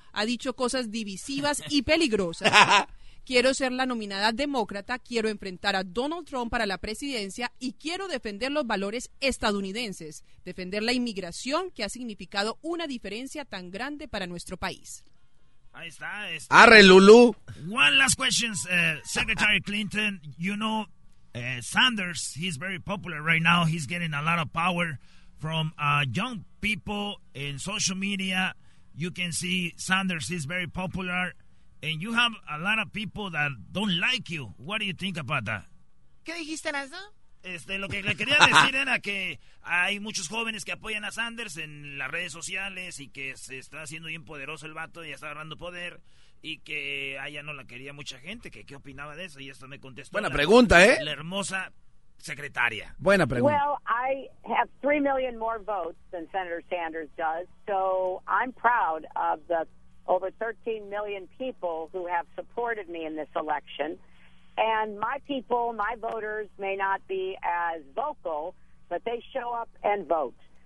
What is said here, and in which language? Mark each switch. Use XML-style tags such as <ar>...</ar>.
<es>Ha dicho cosas divisivas y peligrosas. Quiero ser la nominada demócrata, quiero enfrentar a Donald Trump para la presidencia y quiero defender los valores estadounidenses, defender la inmigración que ha significado una diferencia tan grande para nuestro país. Ahí está. ¡Arre, Lulú!</es> <en>One last question, Secretary Clinton. You know, Sanders, he's very popular right now. He's getting a lot of power from young people in social media. You can see Sanders is very popular. And you have a lot of people that don't like you. What do you think about that?</en> <es>¿Qué dijiste, Nazo? Lo que le quería decir era que hay muchos jóvenes que apoyan a Sanders en las redes sociales y que se está haciendo bien poderoso el vato y está agarrando poder y que allá no la quería mucha gente. ¿Qué opinaba de eso? Y esto me contestó. Buena pregunta, ¿eh? La hermosa secretaria. Buena pregunta.</es> <en>Well, I have 3 million more votes than Senator Sanders does, so I'm proud of the over 13 million people who have supported me in this election. And my people, my voters, may not be as vocal, but they show up and vote.</en>